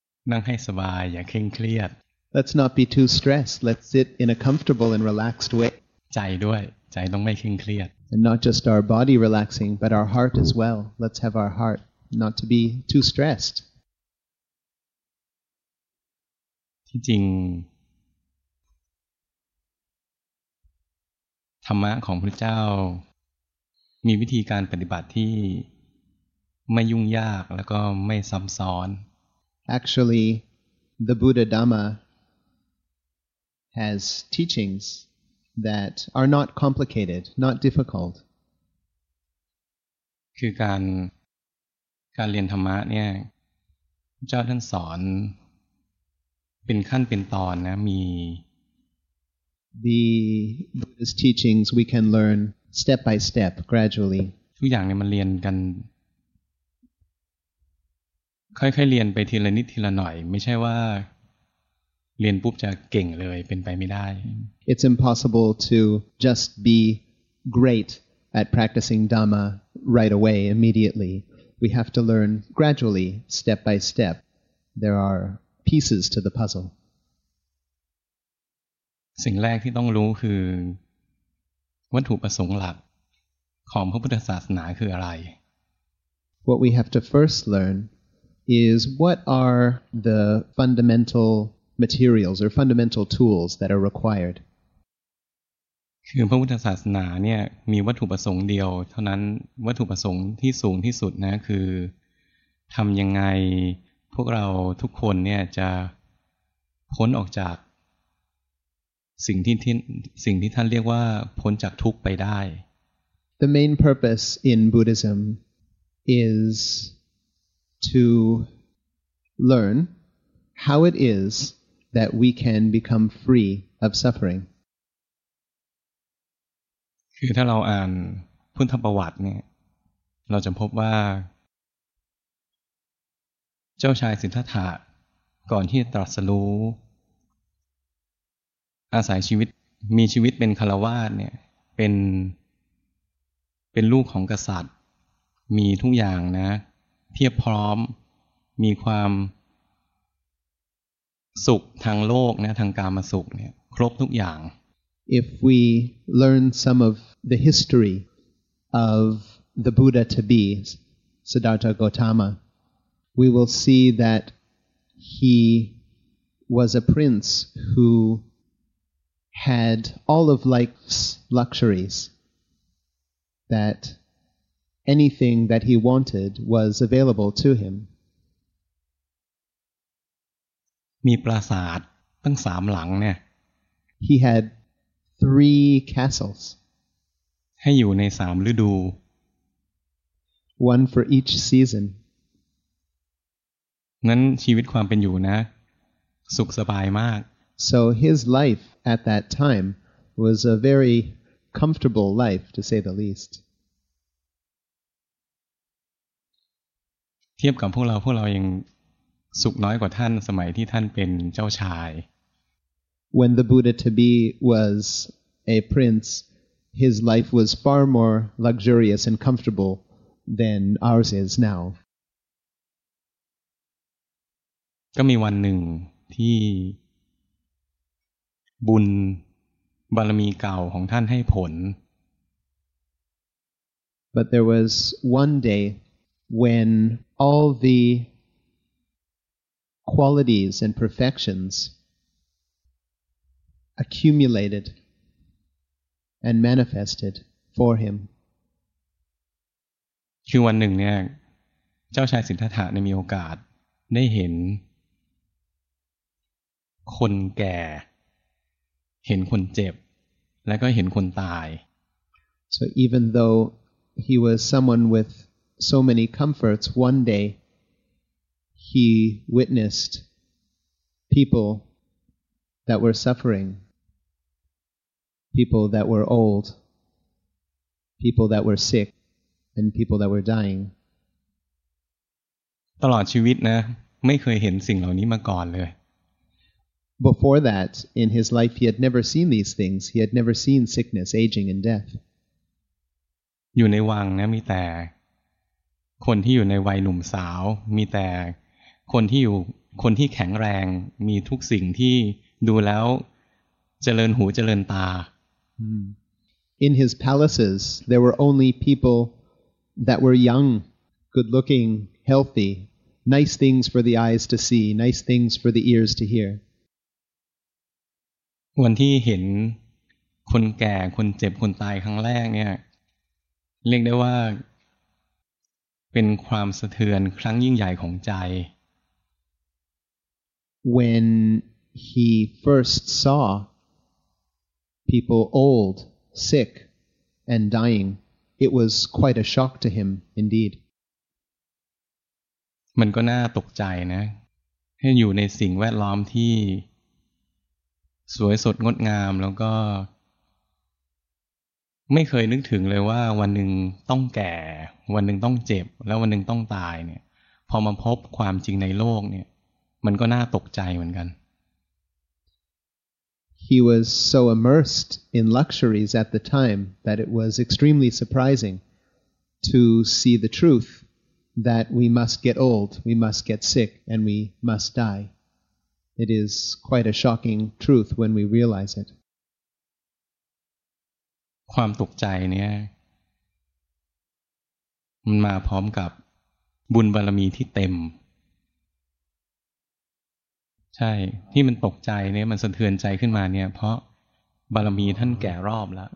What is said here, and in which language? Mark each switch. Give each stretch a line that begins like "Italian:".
Thai: นั่งให้สบายอย่าเคร่งเครียด
English: Let's not be too stressed. Let's sit in a comfortable and relaxed way.
Thai: ใจด้วยใจต้องไม่เคร่งเครียด
English: And not just our body relaxing, but our heart as well. Let's have our heart not to be too stressed.
Thai: ที่จริงธรรมะของพระเจ้ามีวิธีการปฏิบัติที่ไม่ยุ่งยากแล้วก็ไม่ซับซ้อน
English: Actually, the Buddha Dhamma has teachings that are not complicated, not difficult.
Thai: คือการเรียนธรรมะเนี่ยเจ้าท่านสอนเป็นขั้นเป็นตอนนะมี
English: The Buddha's teachings we can learn. Step by step, gradually.
Thai: ทุกอย่างเนี่ยมันเรียนกันค่อยๆเรียนไปทีละนิดทีละหน่อยไม่ใช่ว่าเรียนปุ๊บจะเก่งเลยเป็นไปไม่ได้
English: It's impossible to just be great at practicing Dhamma right away, immediately. We have to learn gradually, step by step. There are pieces to the puzzle.
Thai: สิ่งแรกที่ต้องรู้คือวัตถุประสงค์หลักของพระพุทธศาสนาคืออะไร
English: What we have to first learn is what are the fundamental materials or fundamental tools that are required
Thai: คือพระพุทธศาสนาเนี่ยมีวัตถุประสงค์เดียวเท่านั้นวัตถุประสงค์ที่สูงที่สุดนะคือทำยังไงพวกเราทุกคนเนี่ยจะพ้นออกจากสิ่งที่ท่านเรียกว่าพ้นจากทุกข์ไปได้
English: The main purpose in Buddhism is to learn how it is that we can become free of suffering
Thai: คือถ้าเราอ่านพุทธประวัติเนี่ยเราจะพบว่าเจ้าชายสิทธัตถะก่อนที่จะตรัสรู้อาศัยชีวิตมีชีวิตเป็นฆราวาสเนี่ยเป็นลูกของกษัตริย์มีทุกอย่างนะเพียบพร้อมมีความสุขทางโลกนะทางกามสุขเนี่ยครบทุกอย่าง
English: If we learn some of the history of the Buddha to be Siddhartha Gautama we will see that he was a prince whohad all of life's luxuries that anything that he wanted was available to him
Thai: มีปราสาทตั้ง3หลังเนี่ย
English: he had 3 castles
Thai: ให้อยู่ใน3ฤดู
English: one for each season
Thai: งั้นชีวิตความเป็นอยู่นะสุขสบายมาก
English: So his life at that time was a very comfortable life, to say the least.
Thai: เทียบกับพวกเรายังสุขน้อยกว่าท่านสมัยที่ท่านเป็นเจ้าชาย
English: When the Buddha to be was a prince, his life was far more luxurious and comfortable than ours is now.
Thai: ก็มีวันหนึ่งที่บุญบารมีเก่าของท่านให้ผล
English: But there was one day when all the qualities and perfections accumulated and manifested for him
Thai: คือวันหนึ่งเนี่ยเจ้าชายสิทธัตถะได้มีโอกาสได้เห็นคนแก่เห็นคนเจ็บและก็เห็นคนตาย
English: So even though he was someone with so many comforts one day he witnessed people that were suffering people that were old people that were sick and people that were dying
Thai: ตลอดชีวิตนะไม่เคยเห็นสิ่งเหล่านี้มาก่อนเลย
English: Before that, in his life, he had never seen these things. He had never seen sickness, aging, and death.
Thai: อยู่ในวังนะมีแต่คนที่อยู่ในวัยหนุ่มสาวมีแต่คนที่อยู่คนที่แข็งแรงมีทุกสิ่งที่ดูแล้วเจริญหูเจริญตา
English: In his palaces there were only people that were young good looking healthy nice things for the eyes to see nice things for the ears to hear
Thai: วันที่เห็นคนแก่คนเจ็บคนตายครั้งแรกเนี่ยเรียกได้ว่าเป็นความสะเทือนครั้งยิ่งใหญ่ของใจ
English: When he first saw people old, sick, and dying, it was quite a shock to him indeed.
Thai: มันก็น่าตกใจนะให้อยู่ในสิ่งแวดล้อมที่สวยสดงดงามแล้วก็ไม่เคยนึกถึงเลยว่าวันหนึ่งต้องแก่วันหนึ่งต้องเจ็บแล้ววันหนึ่งต้องตายเนี่ยพอมาพบความจริงในโลกเนี่ยมันก็น่าตกใจเหมือนกัน
English: He was so immersed in luxuries at the time that it was extremely surprising to see the truth that we must get old, we must get sick, and we must dieIt is quite a shocking truth when we realize it.
Thai: ความตกใจเนี่ยมันมาพร้อมกับบุญบารมีที่เต็มใช่ที่มันตกใจเนี่ยมันสะเทือนใจขึ้นมาเนี่ยเพราะบารมีท่านแก่รอบแล้ว